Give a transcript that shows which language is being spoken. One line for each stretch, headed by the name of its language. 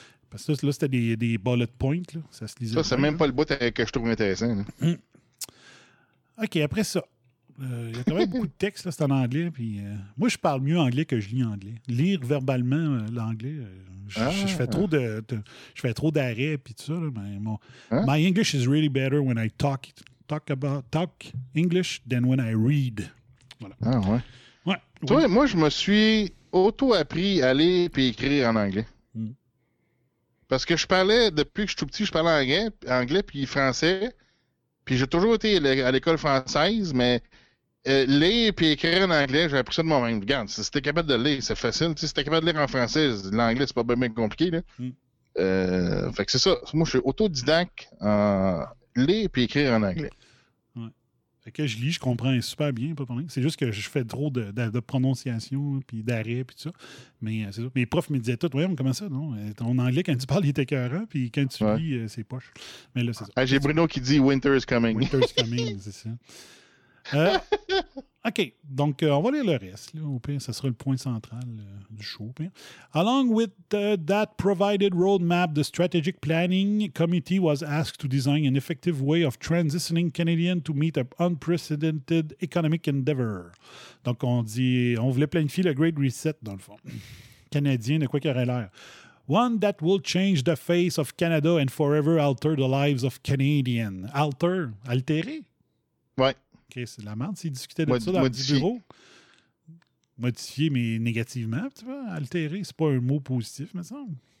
French: Parce que là, c'était des bullet points. Là. Ça se lisait. Ça, c'est même pas le bout que je trouve intéressant. OK, après ça. Il y a quand même beaucoup de textes, là, c'est en anglais. Puis, moi, je parle mieux anglais que je lis anglais. Lire verbalement l'anglais, je fais trop d'arrêts puis tout ça. Là, mais bon.
English: My English is really better when I talk English than when I read.
French: Voilà. Ah ouais. Ouais, toi, oui. Moi, je me suis auto-appris à lire puis écrire en anglais. Parce que je parlais, depuis que je suis tout petit, je parlais anglais puis français. Puis j'ai toujours été à l'école française, mais Lire puis écrire en anglais, j'ai appris ça de moi-même. Regarde, si t'es capable de lire, c'est facile. Si t'es capable de lire en français, l'anglais, c'est pas bien, bien compliqué. Là. Fait que c'est ça. Moi, je suis autodidacte lire puis écrire en anglais. Ouais. Fait que je lis, je comprends super bien, pas de problème. C'est juste que je fais trop de prononciation puis d'arrêt puis tout ça. Mais c'est ça. Mes profs me disaient tout. Voyons, comment ça, non? Ton anglais, quand tu parles, il est écœurant, puis quand tu lis, c'est poche. Mais là, c'est ça. J'ai Bruno qui dit
English: Winter is coming. Winter is coming,
French: c'est ça. OK, donc on va lire le reste. Là, au pire, ça sera le point central du show. Pire.
English: Along with that provided roadmap, the Strategic Planning Committee was asked to design an effective way of transitioning Canadians to meet an unprecedented economic endeavor.
French: Donc on dit, on voulait planifier le Great Reset, dans le fond. Canadien, de quoi qu'il aurait l'air.
English: One that will change the face of Canada and forever alter the lives of Canadians.
French: Alter, altérer? Ouais. OK, c'est de la merde s'ils discutaient de ça dans le bureau. Modifier, mais négativement, tu vois. Altérer, c'est pas un mot positif, me semble.